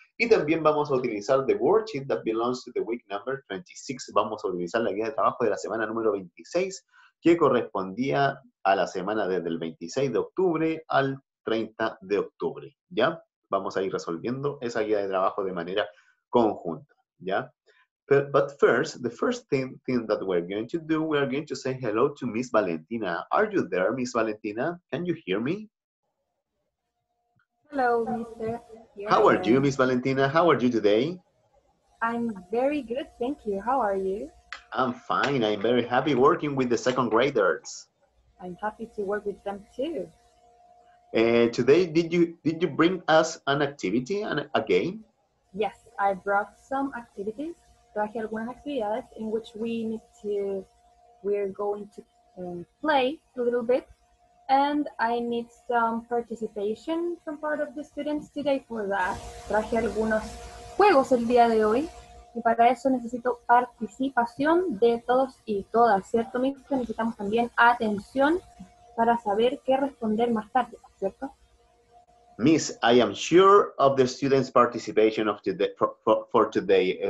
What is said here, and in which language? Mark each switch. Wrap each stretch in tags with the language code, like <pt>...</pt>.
<es>Y también vamos a utilizar</es> <en>the worksheet that belongs to the week number 26.</en> <es>Vamos a utilizar la guía de trabajo de la semana número 26, que correspondía a la semana desde el 26 de octubre al 30 de octubre, ¿ya? Vamos a ir resolviendo esa guía de trabajo de manera conjunta, ¿ya?</es> <en>But first, the first thing that we're going to do, we're going to say hello to Miss Valentina. Are you there, Miss Valentina? Can you hear me? Hello, mister. Here How are you, Miss Valentina? How are you today? I'm very good, thank you. How are you? I'm fine. I'm very happy working with the second graders. I'm happy to work with them too. Today, did you bring us an activity, a game? Yes, I brought some activities.</en> <es>Traje algunas actividades</es> <en>in which we're going to play a little bit. And I need some participation from part of the students today for that.</en> <es>Traje algunos juegos el día de hoy. Y para eso necesito participación de todos y todas, ¿cierto, Mister? Necesitamos también atención para saber qué responder más tarde, ¿cierto?</es> <en>Miss, I am sure of the students' participation of today, for today.</en>